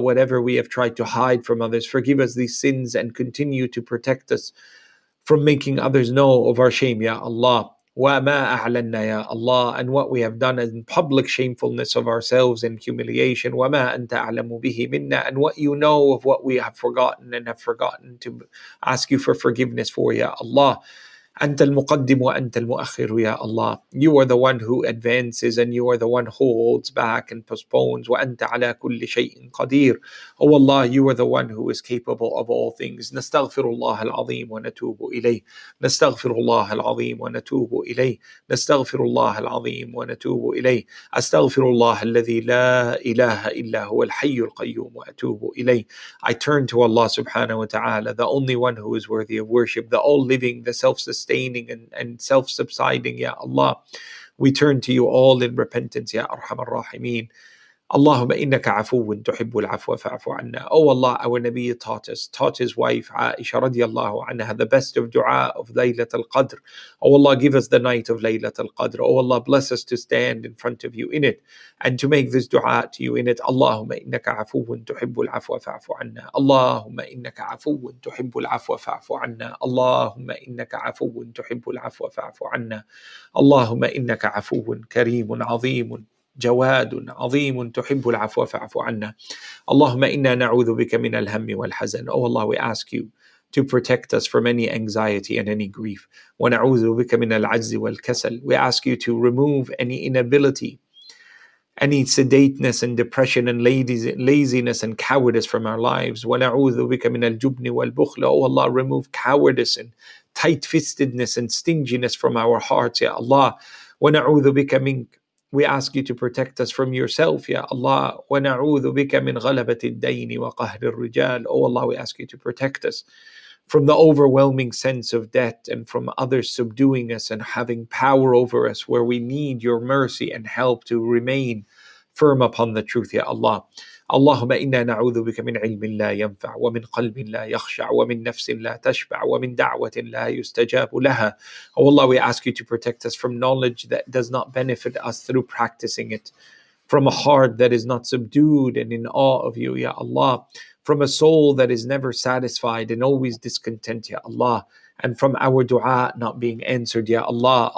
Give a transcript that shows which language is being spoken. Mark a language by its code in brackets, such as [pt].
[en] Whatever we have tried to hide from others, forgive us these sins and continue to protect us from making others know of our shame, Ya Allah. [ar] وما أعلننا يا الله, [en] and what we have done in public shamefulness of ourselves and humiliation, [ar] وما أنت أعلم به منا, [en] and what you know of what we have forgotten and have forgotten to ask you for forgiveness for, يا الله. [ar] أنت المقدم وأنت المؤخر يا الله. [en] You are the one who advances and you are the one who holds back and postpones. [ar] وأنت على كل شيء قدير. [en] Oh Allah, you are the one who is capable of all things. [ar] نستغفر الله العظيم ونتوب إليه. نستغفر الله العظيم ونتوب إليه. نستغفر الله العظيم ونتوب إليه. أستغفر الله الذي لا إله إلا هو الحي القيوم وأتوب إليه. [en] I turn to Allah سبحانه وتعالى, the only one who is worthy of worship, the all living, the self sustaining and self-subsiding, ya Allah. We turn to you all in repentance, ya Arhamar Rahimeen. [ar] Allahumma innaka afuwun tuhibbu al-afwa fa'afu anna. [en] Oh Allah, our Nabi taught his wife Aisha radiallahu anha the best of dua of Laylat al-Qadr. Oh Allah, give us the night of Laylat al-Qadr. Oh Allah, bless us to stand in front of you in it and to make this dua to you in it. [ar] Allahumma innaka afuwun tuhibbu al-afwa fa'afu anna. Allahumma innaka afuwun tuhibbu al-afwa fa'afu anna. Allahumma innaka afuwun tuhibbu al-afwa fa'afu anna. Allahumma innaka afuwun kareemun azeemun جواد عظيم تحب العفو فاعف عنا. اللهم إنا نعوذ بك من الهم والحزن. [en] Oh Allah, we ask you to protect us from any anxiety and any grief. [ar] ونعوذ بك من العجز والكسل. [en] We ask you to remove any inability, any sedateness and depression and laziness and cowardice from our lives. [ar] ونعوذ بك من الجبن والبخل. [en] Oh Allah, remove cowardice and tight-fistedness and stinginess from our hearts, ya Allah. [ar] ونعوذ بك منك. [en] We ask you to protect us from yourself, ya Allah. [ar] وَنَعُوذُ بِكَ مِنْ غَلَبَةِ الدَّيْنِ وَقَهْرِ الرِّجَالِ. [en] Oh Allah, we ask you to protect us from the overwhelming sense of debt and from others subduing us and having power over us, where we need your mercy and help to remain firm upon the truth, ya Allah. [ar] اللهم إنا نعوذ بك من علم لا ينفع ومن قلب لا يخشع ومن نفس لا تشبع ومن دعوة لا يستجاب لها. [en] Oh Allah, we ask you to protect us from knowledge that does not benefit us through practicing it, from a heart that is not subdued and in awe of you, ya Allah, from a soul that is never satisfied and always discontent, ya Allah, and from our dua not being answered, ya Allah.